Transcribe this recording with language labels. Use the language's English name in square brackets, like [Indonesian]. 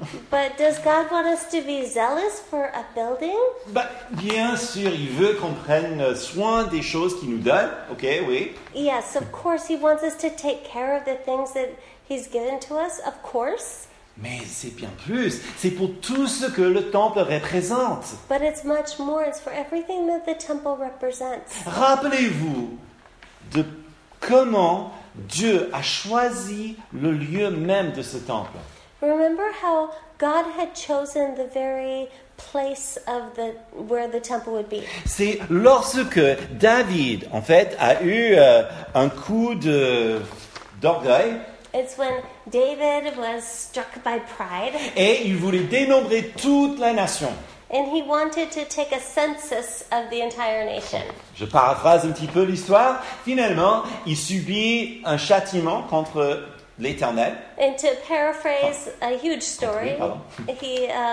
[English] But does God want us to be zealous for a building? [French] Bah, bien sûr, il veut qu'on prenne soin des choses qu'il nous donne, ok, oui. [English] Yes, of course, he wants us to take care of the things that he's given to us, of course. [French] Mais c'est bien plus. C'est pour tout ce que le temple représente. [English] But it's much more. It's for everything that the temple represents. [French] Rappelez-vous de comment Dieu a choisi le lieu même de ce temple. [English] Remember how God had chosen the very place of the where the temple would be. [French] C'est lorsque David, en fait, a eu un coup de d'orgueil. [English] It's when David was struck by pride. [French] Et il voulait dénombrer toute la nation. [English] And he wanted to take a census of the entire nation. [French] Je paraphrase un petit peu l'histoire. Finalement, il subit un châtiment contre l'Éternel. [English] And to paraphrase a huge story, he